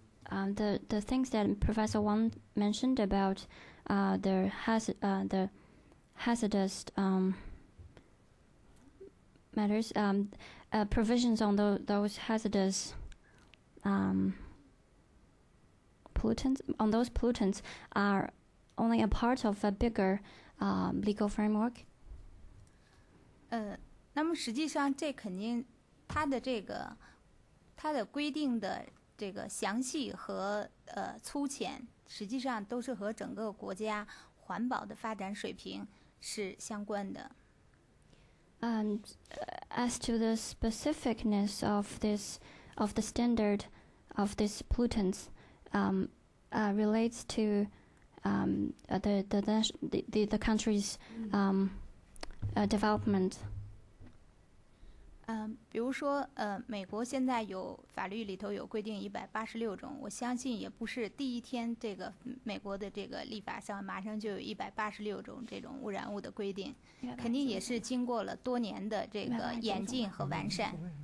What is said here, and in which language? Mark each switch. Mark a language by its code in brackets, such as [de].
[en] The things that Professor Wang mentioned about the hazardous matters, provisions on those hazardous pollutants, on those pollutants are only a part of a bigger legal framework. [zh] 那么实际上这肯定它的这个它的规定的这个详细和粗浅实际上都是和整个国家环保的发展水平是相关的。 [en] As to the specificness of this of the standard of these pollutants relates to the country's development. [zh] 比如说美国现在有法律里头有规定186种，我相信也不是第一天这个美国的这个立法上马上就有186种这种污染物的规定，肯定也是经过了多年的这个演进和完善。